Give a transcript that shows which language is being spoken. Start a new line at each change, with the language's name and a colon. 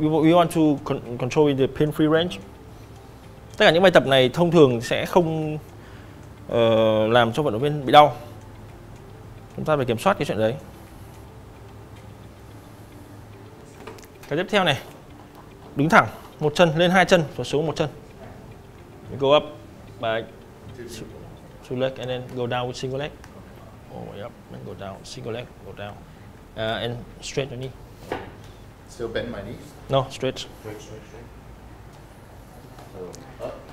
English: Yeah, we want to control with the pain-free range.
Vietnamese: Tất cả những bài tập này thông thường sẽ không làm cho vận động viên bị đau. Chúng ta phải kiểm soát cái chuyện đấy. Cái tiếp theo này, đứng thẳng, một chân, lên hai chân, rồi xuống một chân.
English: You go up by two legs and then go down with single leg. All the way up and go down, single leg, go down. And straight your knee. Still bend my knees? No, straight. Straight. So up.